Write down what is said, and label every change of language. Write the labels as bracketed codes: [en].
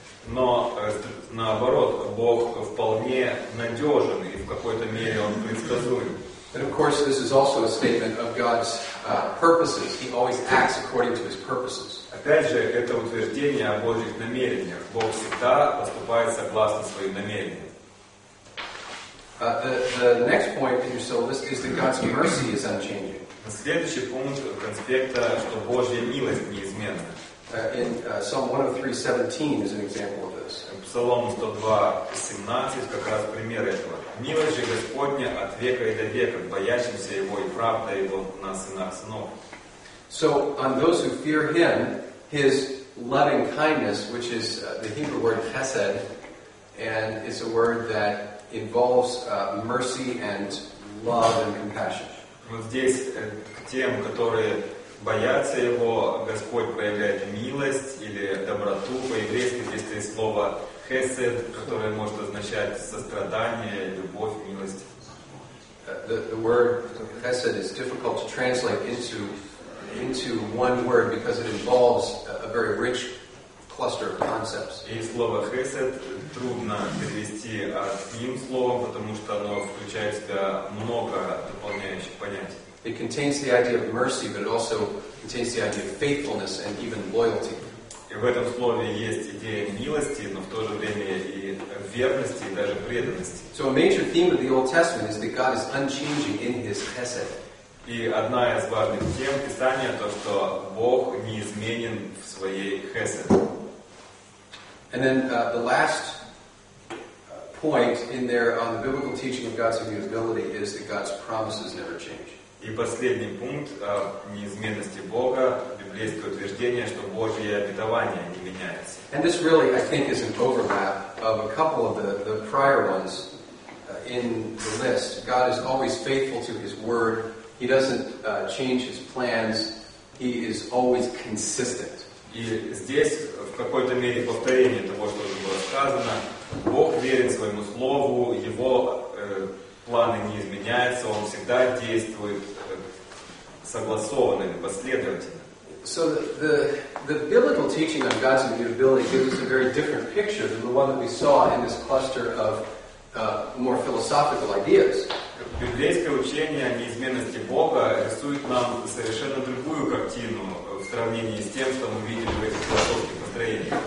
[ru] Но наоборот, Бог вполне надежен и в какой-то мере он предсказуем. [en] And of course, this is also a statement of God's purposes. He always acts according to his purposes. [ru] Опять же, это утверждение о Божьих намерениях. Бог всегда поступает согласно своим намерениям. [en] The next point in your syllabus is that God's mercy is unchanging. [ru] Следующий пункт конспекта, что Божья милость неизменна. [en] In Psalm 103:17 is an example of this. [ru] Псалом 102:17 как раз пример этого. Милость же Господня от века и до века, боящимся Его и правда Его на сынах сынов. [en] So on those who fear Him, His loving kindness, which is the Hebrew word chesed, and it's a word that involves mercy and love and compassion. [ru] Вот здесь к тем, которые боятся Его, Господь проявляет милость или доброту. По-еврейски здесь есть слово хесед, которое может означать сострадание, любовь, милость. [en] The word chesed is difficult to translate into one word because it involves a very rich cluster of concepts. [ru] И слово хесед трудно перевести одним словом, потому что оно включает в себя много дополняющих понятий. [en] It contains the idea of mercy, but it also contains the idea of faithfulness and even loyalty. [ru] И в этом слове есть идея милости, но в то же время и верности, и даже преданности. [en] So a major theme of the Old Testament is that God is unchanging in His chesed. [ru] И одна из важных тем Писания то, что Бог неизменен в своей хесед. [en] And then the last point in there on the biblical teaching of God's immutability is that God's promises never change. [ru] И последний пункт о неизменности Бога, библейское утверждение, что Божьи обетования не меняются. [en] And this really, I think, is an overlap of a couple of the prior ones in the list. God is always faithful to His word. He doesn't change His plans. He is always consistent. [ru] И здесь в какой-то мере повторение того, что уже было сказано. Бог верен своему слову, Его планы не изменяются, Он всегда действует согласованно, последовательно. [en] So the biblical teaching on God's immutability gives us a very different picture than the one that we saw in this cluster of more philosophical ideas. [ru] Библейское учение о неизменности Бога рисует нам совершенно другую картину в сравнении с тем, что мы видели в этих философских построениях.